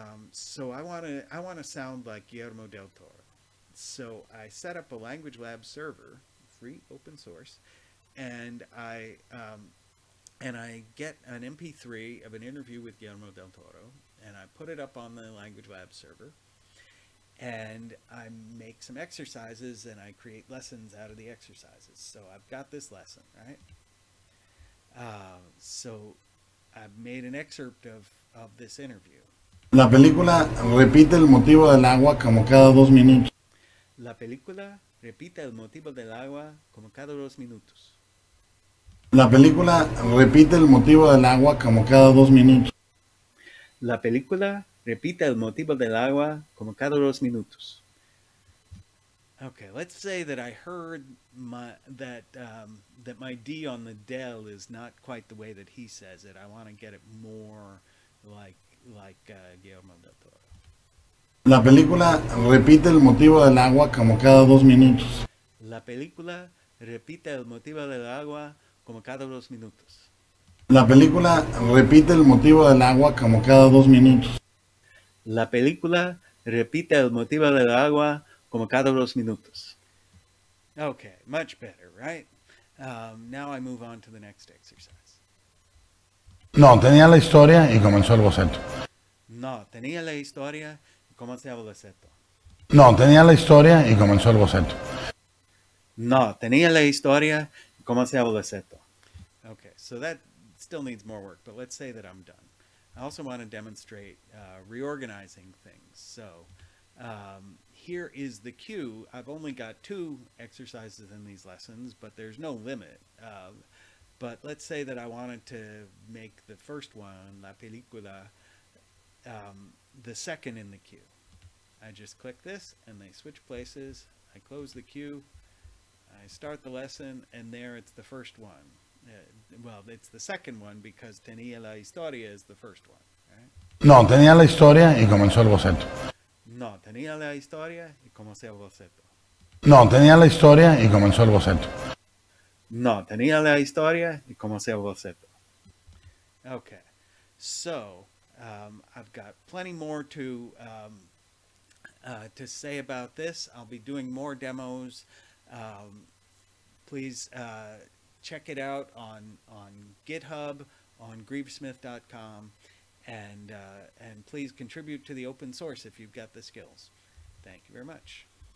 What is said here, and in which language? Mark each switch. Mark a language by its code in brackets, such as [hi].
[en] So I want to sound like Guillermo del Toro. So I set up a LanguageLab server, free, open source, and I get an MP3 of an interview with Guillermo del Toro, and I put it up on the LanguageLab server, and I make some exercises, and I create lessons out of the exercises. So I've got this lesson, right? So I've made an excerpt of this interview. [es] La película repite el motivo del agua como cada dos minutos. La película repite el motivo del agua como cada dos minutos. La película repite el motivo del agua como cada dos minutos. La película repite el motivo del agua como cada dos minutos. [en] Okay, let's say that I heard that my D on the del is not quite the way that he says it. I want to get it more like Guillermo del Toro. [es] La película repite el motivo del agua como cada dos minutos. La película repite el motivo del agua como cada dos minutos. La película repite el motivo del agua como cada dos minutos. La película repite el motivo del agua como cada dos minutos. [en] Okay, much better, right? Now I move on to the next exercise. [es] No, tenía la historia y comenzó el boceto. No, tenía la historia. Comencé el boceto. No, tenía la historia y comenzó el boceto. No, tenía la historia y comencé el boceto. [en] Okay, so that still needs more work, but let's say that I'm done. I also want to demonstrate reorganizing things. So here is the cue. I've only got two exercises in these lessons, but there's no limit. But let's say that I wanted to make the first one, [es] la película, [en] the second in the queue. I just click this and they switch places. I close the queue. I start the lesson and there it's the first one. Well, it's the second one because [es] tenía la historia [en] is the first one. Right? [es] No, tenía la historia y comenzó el boceto. No, tenía la historia y comenzó el boceto. No, tenía la historia y comenzó el boceto. No, tenía la historia y comenzó el boceto. [en] Okay, so I've got plenty more to say about this. I'll be doing more demos. Please check it out on GitHub, on Grieve-Smith.com, and please contribute to the open source if you've got the skills. Thank you very much.